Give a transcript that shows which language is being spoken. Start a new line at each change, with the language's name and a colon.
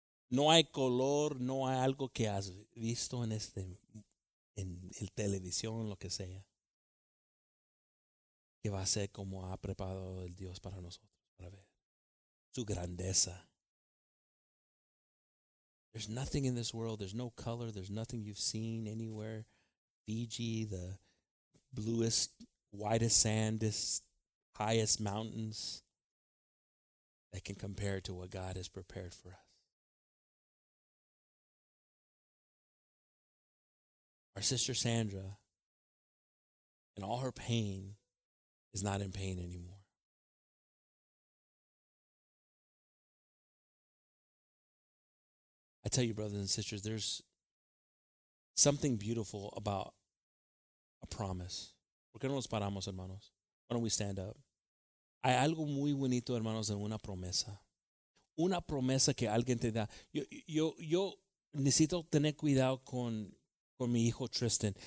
Spanish: No hay color, no hay algo que has visto en este, en el televisión, lo que sea, que va a ser como ha preparado el Dios para nosotros, para ver su grandeza.
English: There's nothing in this world. There's no color. There's nothing you've seen anywhere. Fiji, the bluest, whitest sandest, highest mountains that can compare to what God has prepared for us. Our sister Sandra, in all her pain, is not in pain anymore. I tell you, brothers and sisters, there's something beautiful about a promise.
Spanish: ¿Por qué no nos paramos, hermanos?
English: Why don't we stand up?
Spanish: Hay algo muy bonito, hermanos, en una promesa. Una promesa que alguien te da. Yo necesito tener cuidado con mi hijo Tristan.